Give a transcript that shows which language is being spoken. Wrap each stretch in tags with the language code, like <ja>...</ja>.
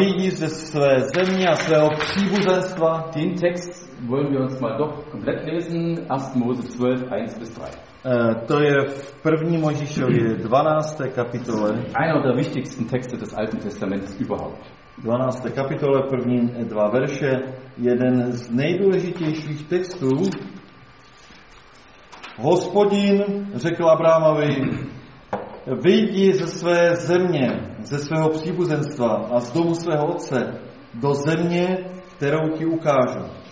<cs>Vidí ze své země a svého příbuzenstva.</cs> <de>Den Text wollen wir uns mal doch komplett lesen. 1. Mose 12, 1 bis 3.</de> <cs>To je v první Mojžíšově 12. kapitole.</cs> <de>Einer der wichtigsten Texte des Alten Testaments überhaupt.</de> <cs>12. kapitole, první dva verše, jeden z nejdůležitějších textů. Hospodin řekl Abrahamovi, vyjdi ze své země, ze svého příbuzenstva a z domu svého otce do země, kterou ti ukážu.</cs>